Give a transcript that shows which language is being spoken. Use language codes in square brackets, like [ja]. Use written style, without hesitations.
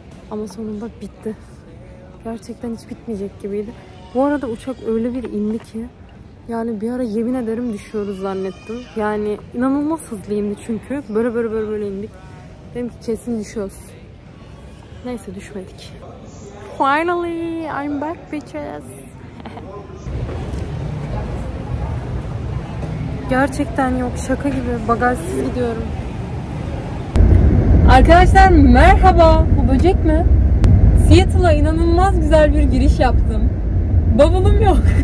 [tr] Ama sonunda bitti. Gerçekten hiç bitmeyecek gibiydi. Bu arada uçak öyle bir indi ki, yani bir ara yemin ederim düşüyoruz zannettim. Yani inanılmaz hızlı indi çünkü. Böyle indik. Dedim ki kesin düşüyoruz. Neyse düşmedik. [en] Finally I'm back bitches. [tr] Gerçekten yok, şaka gibi. Bagajsız gidiyorum. Arkadaşlar merhaba. Bu böcek mi? Seattle'a inanılmaz güzel bir giriş yaptım. Bavulum yok.